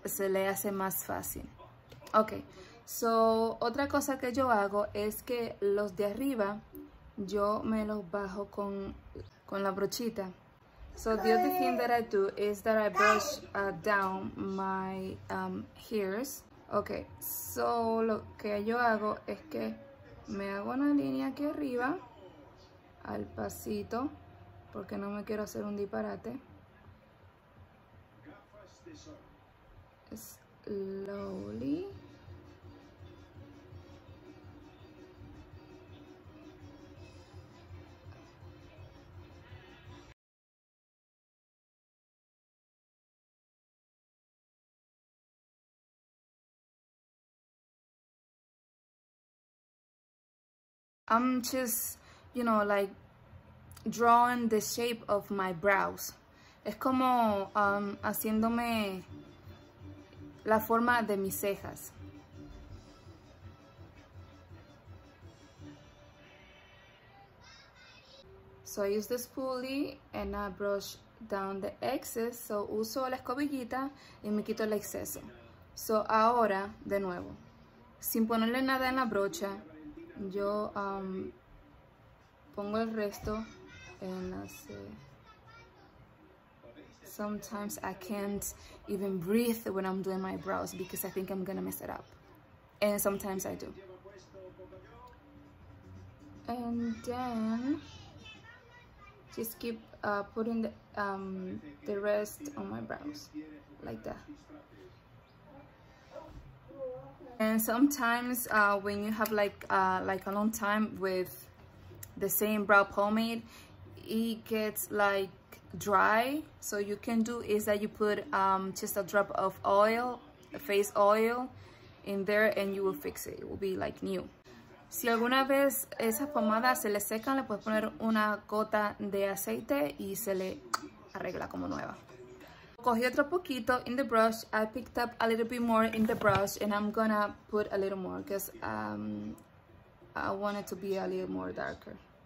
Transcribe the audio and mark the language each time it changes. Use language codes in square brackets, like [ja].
[es] Se le hace más fácil. Ok, so otra cosa que yo hago es que los de arriba yo me los bajo con la brochita. [en] So the other thing that I do is that I brush down my hairs. [es] Ok, so lo que yo hago es que me hago una línea aquí arriba. Al pasito, porque no me quiero hacer un disparate. [en] Slowly. I'm just, you know, like drawing the shape of my brows. [es] Es como haciéndome la forma de mis cejas. [en] So I use the spoolie and I brush down the excess. [es] So uso la escobillita y me quito el exceso. So ahora, de nuevo, sin ponerle nada en la brocha, yo pongo el resto en las [en] sometimes I can't even breathe when I'm doing my brows because I think I'm gonna mess it up. And sometimes I do. And then just keep putting the rest on my brows, like that. And sometimes when you have like a long time with the same brow pomade, it gets like dry. So you can do is that you put just a drop of oil, face oil, in there, and you will fix it. It will be like new. [es] Si alguna vez esas pomadas se le secan, le puedes poner una gota de aceite y se le arregla como nueva. Cogí otro poquito [en] in the brush. I picked up a little bit more in the brush, and I'm gonna put a little more because I want it to be a little more darker.